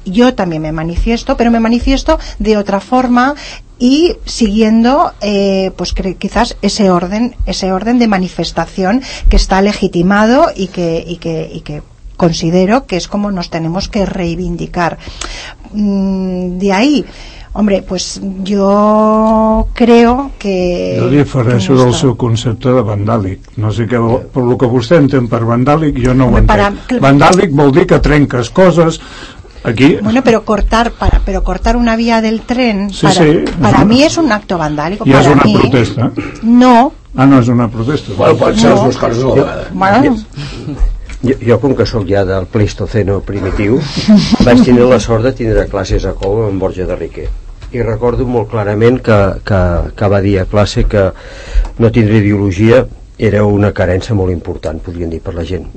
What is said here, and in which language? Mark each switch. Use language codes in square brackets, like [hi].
[es] Yo también me manifiesto, pero me manifiesto de otra forma y siguiendo quizás ese orden de manifestación que está legitimado y que considero que es como nos tenemos que reivindicar. De ahí, hombre, pues yo creo que... [ca] Jo difereixo del seu concepte de vandàlic. No sé què, per el que vostè entén per vandàlic, jo no ho entenc. Vandàlic vol dir que trenques coses... Aquí. [es] Bueno, pero cortar una vía del tren para mí es un acto vandálico. ¿Y es una protesta? No. Ah, no es una protesta. Bueno, pueden ser los dos casos [ca] a la vegada. [es] Bueno... [ca] Jo, com que sóc ja del Pleistoceno primitiu, vaig tenir la sort de tindre classes a Cova amb Borja de Riquer. I recordo molt clarament que va dir a classe que no tindre ideologia era una carença molt important, podríem dir, per la gent.